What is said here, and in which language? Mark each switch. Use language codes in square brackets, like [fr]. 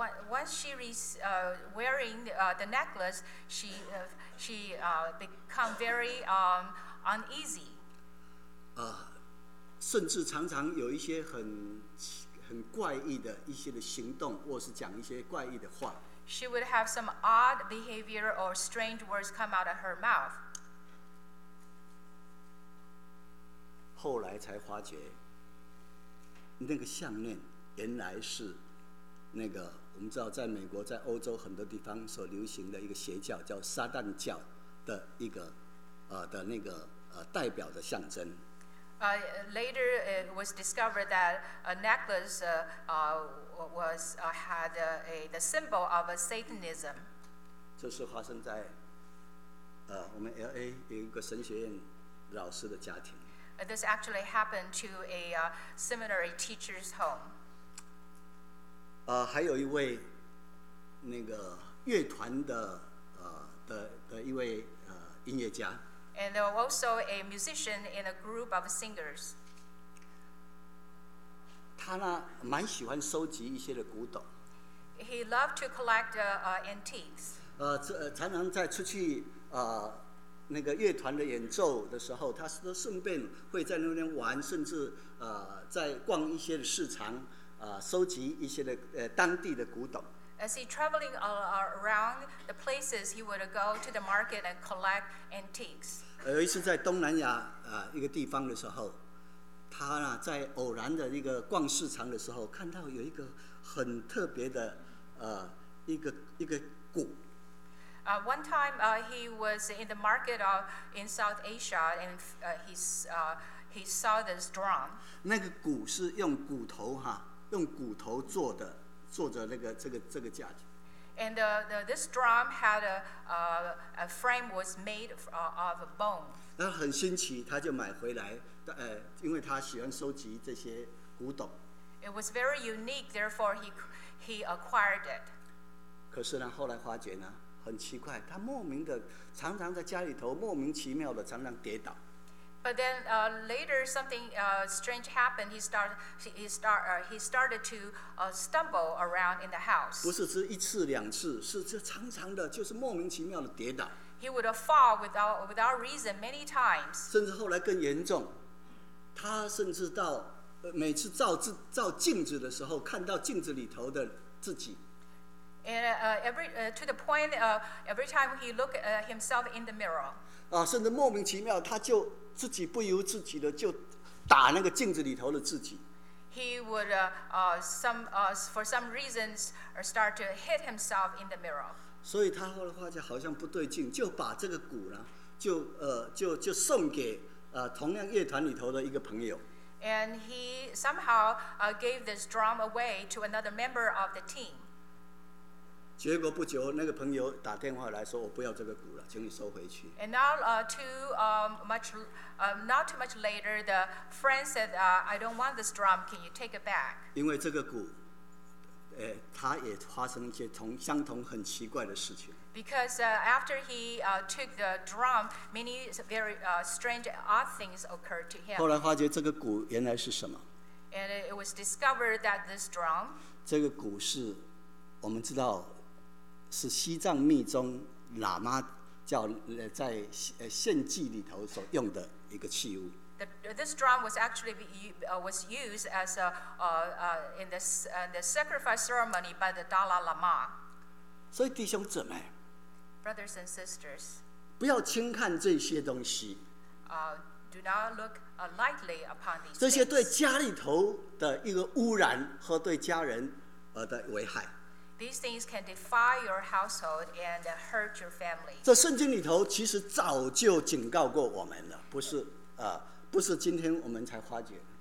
[en] Once she is wearing the necklace, she become very uneasy. [zh] 甚至常常有一些很怪异的一些的行动，或是讲一些怪异的话。 [en] She would have some odd behavior or strange words come out of her mouth. [zh] 后来才发觉，那个项链原来是那个我们知道，在美国、在欧洲很多地方所流行的一个邪教，叫撒旦教的一个的那个代表的象征。 [en] Later it was discovered that a necklace had the symbol of a Satanism. [zh] 这是发生在我们 LA 有一个神学院老师的家庭。 [en] This actually happened to a seminary teacher's home. [zh] 还有一位那个乐团的的一位音乐家。 [en] And there was also a musician in a group of singers. [zh] 他呢，蛮喜欢收集一些的古董。 [en] He loved to collect antiques. [zh] 常常在出去那个乐团的演奏的时候，他都顺便会在那边玩，甚至在逛一些市场，收集一些的当地的古董。 [en] As he traveling around the places, he would go to the market and collect antiques. [zh] 有一次在东南亚一个地方的时候，他呢在偶然的一个逛市场的时候，看到有一个很特别的一个鼓。 [en] One time he was in the market in South Asia and he saw this drum. [zh] 那个鼓是用骨头做的，做着这个架子。 [en] And this drum had a frame was made of a bone. [zh] 那很新奇，他就买回来，因为他喜欢收集这些古董。 [en] It was very unique, therefore he acquired it. [zh] 可是呢，后来发觉呢，很奇怪，他莫名的常常在家里头莫名其妙的常常跌倒。 [en] But then later something strange happened. He started to stumble around in the house. [zh] 不是只一次两次，是这常常的，就是莫名其妙的跌倒。 [en] He would fall without reason many times. [zh] 甚至后来更严重，他甚至到每次照镜子的时候，看到镜子里头的自己。 [en] And to the point every time he looked himself in the mirror. [zh] 啊，甚至莫名其妙他就。自己不由自己的就打那个镜子里头的自己。 [en] He would for some reasons start to hit himself in the mirror. [zh] 所以他后来发觉好像不对劲，就把这个鼓呢，就送给同样乐团里头的一个朋友。 [en] And he somehow gave this drum away to another member of the team. [zh] 结果不久，那个朋友打电话来说：“我不要这个鼓了，请你收回去。” [en] And now, not too much later, the friend said, "I don't want this drum. Can you take it back?" [zh] 因为这个鼓，他也发生一些相同很奇怪的事情。 [en] Because after he took the drum, many very strange odd things occurred to him. [zh] 后来发觉这个鼓原来是什么 [en] ？And it was discovered that this drum. [zh] 这个鼓是，我们知道。是西藏密宗喇嘛叫在献祭里头所用的一个器物。 [en] This drum was actually was used as in the sacrifice ceremony by the Dalai Lama. [zh] 所以弟兄姊妹 [en] ，brothers and sisters， [zh] 不要轻看这些东西。 [en] Do not look lightly upon these. [zh] 这些对家里头的一个污染和对家人的危害。 [en] These things can defy your household and hurt your family. [zh] 这圣经里头其实早就警告过我们了，不是今天我们才发觉。